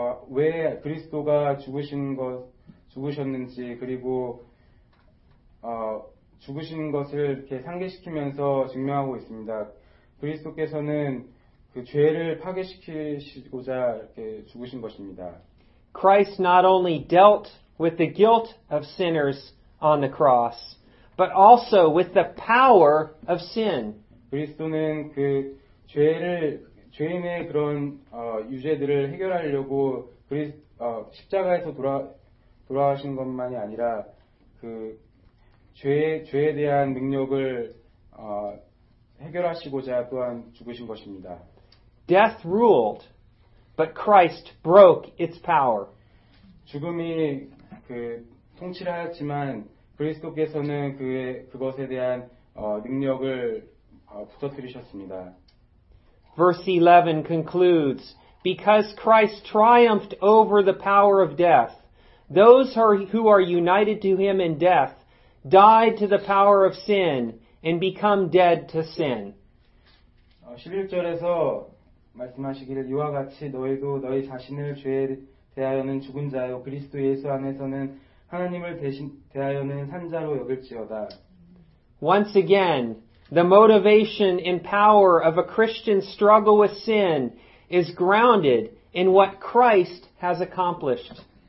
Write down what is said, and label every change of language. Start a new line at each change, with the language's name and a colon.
Korean: 왜 그리스도가 죽으셨는지 그리고 죽으신 것을 이렇게 상기시키면서 증명하고 있습니다. 그리스도께서는 그 죄를 파괴시키시고자 이렇게 죽으신 것입니다.
English: Christ not only dealt with the guilt of sinners on the cross, but also with the power of sin.
Korean: 그리스도는 그 죄인의 그런 유죄들을 해결하려고 십자가에서 돌아가신 것만이 아니라 죄에 대한 능력을 해결하시고자 또한 죽으신 것입니다.
English: Death ruled, but Christ broke its power.
Korean: 죽음이 통치를 하였지만 그리스도께서는 그것에 대한 능력을 부서뜨리셨습니다.
English: Verse 11 concludes, because Christ triumphed over the power of death, those who are united to him in death died to the power of sin and become dead to sin.
Korean: 11절에서 말씀하시기를 이와 같이 너희도 너희 자신을 죄에 대하여는 죽은 자요 그리스도 예수 안에서는 하나님을 대신 대하여는 산 자로 여길지어다.
English: Once again, the motivation and power of a Christian struggle with sin is grounded in what Christ has accomplished.